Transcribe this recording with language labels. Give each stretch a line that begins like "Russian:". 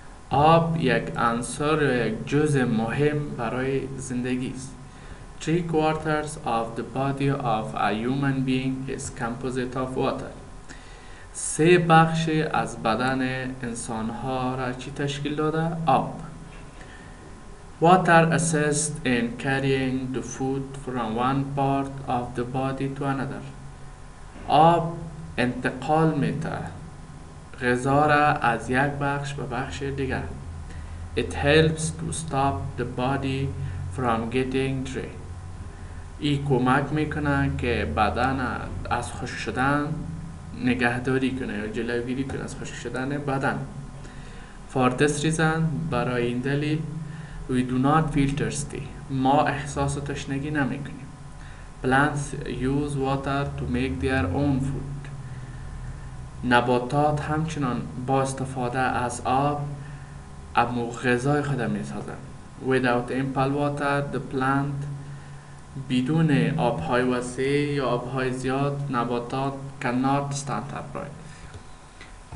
Persian: آب یک عنصر یا یک جزء مهم برای زندگی است.
English: 3/4 of the body of a human being is composed of water.
Persian: 3 از بدن انسان ها را چی تشکیل داده؟ آب.
English: Water assists in carrying the food from one part of the body to another.
Persian: آب انتقال میده غذا را از یک بخش به بخش دیگر.
English: It helps to stop the body from getting dry.
Persian: ای کمک میکنه که بدن از خشک شدن نگهداری کنه یا جلوگیری کنه از خشک شدن بدن.
English: For this reason,
Persian: برای این دلیل،
English: we do not feel thirsty.
Persian: ما احساس تشنگی نمیکنیم.
English: Plants use water to make their own food.
Persian: نباتات همچنان با استفاده از آب اما غذای خود می سازن.
English: Without ample water, the plant
Persian: بدون آبهای وسیع یا آبهای زیاد نباتات
English: cannot stand upright.